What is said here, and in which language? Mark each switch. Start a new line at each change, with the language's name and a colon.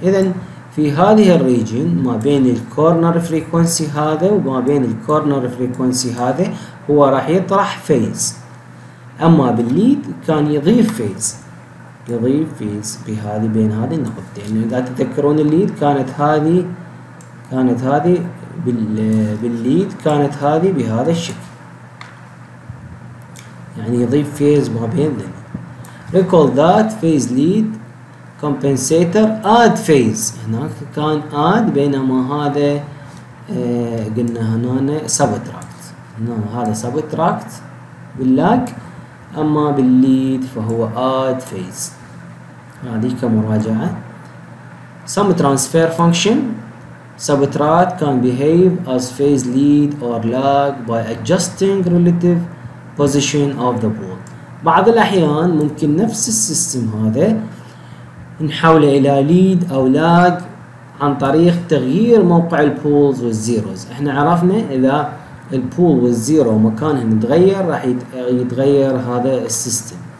Arabic: اذا في هذه الريجن ما بين الكورنر فريكونسي هذا وما بين الكورنر فريكونسي هذا هو راح يطرح فيز، اما بالليد كان يضيف فيز، يضيف فيز بهذه بين هذه النقطتين. يعني اذا تذكرون الليد كانت هذه، كانت هذه بالليد، كانت هذه بهذا الشكل، يعني يضيف فيز ما بين ذي.
English: recall that phase lead compensator add phase.
Arabic: هناك كان add بينما هذا قلنا هنا subtract. هذا subtract باللاج، أما بالليد فهو add phase. هذه كمراجعة.
English: some transfer function subtract can behave as phase lead or lag by adjusting relative position of the pool.
Arabic: بعض الأحيان ممكن نفس السيستم هذا نحوله إلى ليد أو لاج عن طريق تغيير موقع البولز والزيروز. إحنا عرفنا إذا البول والزيرو مكانهم تغير راح يتغير هذا السيستم.